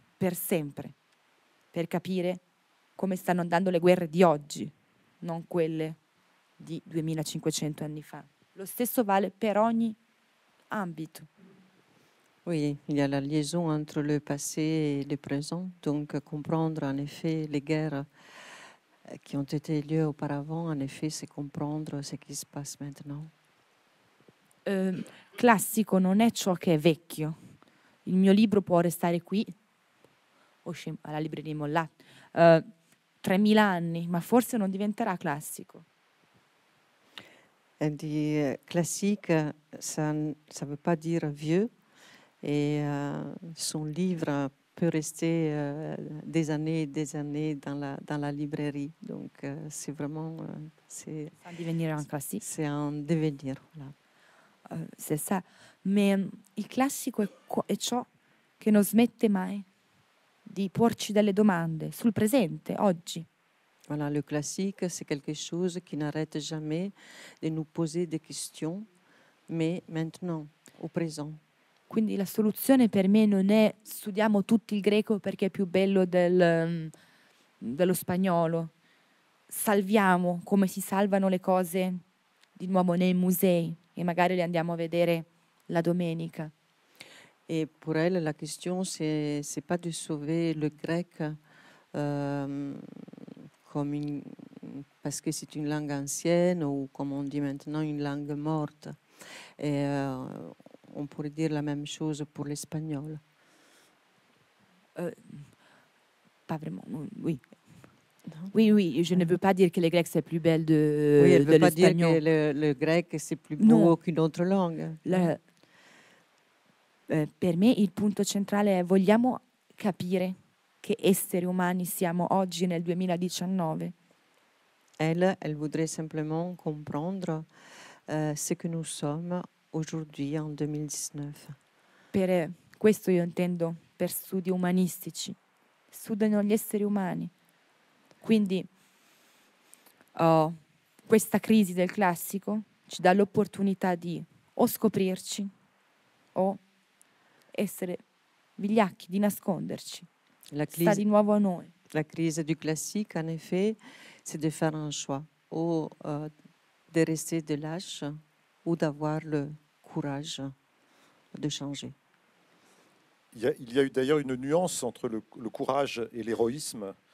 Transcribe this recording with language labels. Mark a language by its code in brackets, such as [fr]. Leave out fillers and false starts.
[it] Per sempre, per capire come stanno andando le guerre di oggi, non quelle di 2500 anni fa. Lo stesso vale per ogni ambito. [fr] Oui, il y a la liaison entre le passé et le présent, donc comprendre en effet les guerres qui ont été lieu auparavant, en effet, c'est comprendre ce qui se passe maintenant. [it] Classico non è ciò che è vecchio. Il mio libro può restare qui, alla libreria Mollà, 3000 anni, ma forse non diventerà classico. [fr] Et dit classique, ça ne veut pas dire vieux. Et son livre peut rester des années et des années dans la librairie. Donc c'est vraiment... C'est un devenir, un classique. C'est un devenir, voilà. C'est ça. [it] Mais il classico è ciò che non smette mai di porci delle domande sul presente, oggi. [fr] Voilà, le classique, c'est quelque chose qui n'arrête jamais de nous poser des questions, mais maintenant, au présent. [it] Quindi la soluzione per me non è studiamo tutto il greco perché è più bello dello spagnolo. Salviamo come si salvano le cose di nuovo nei musei e magari le andiamo a vedere la domenica. E per lei la questione non è [fr] pas di sauver le grec comme parce que c'est une langue ancienne ou comme on dit maintenant une langue morte. Et on pourrait dire la même chose pour l'espagnol. Pas vraiment, oui. Non? Oui, oui, je ne veux pas dire que le grec c'est plus belle de l'espagnol. Oui, elle ne veut pas dire que le grec c'est plus beau non. Qu'une autre langue. [it] Per me il punto centrale è vogliamo capire che esseri umani siamo oggi nel 2019. [fr] Elle voudrait simplement comprendre ce que nous sommes aujourd'hui en 2019. [it] Per questo io intendo per studi umanistici. Studiano gli esseri umani. Quindi questa crisi del classico ci dà l'opportunità di o scoprirci o essere vigliacchi, di nasconderci. La crisi, sta di nuovo a noi. [fr] La crisi du classique, en effet, c'est de faire un choix. O de rester de lâche ou d'avoir le courage de changer. Il y a eu d'ailleurs une nuance entre le courage et l'héroïsme.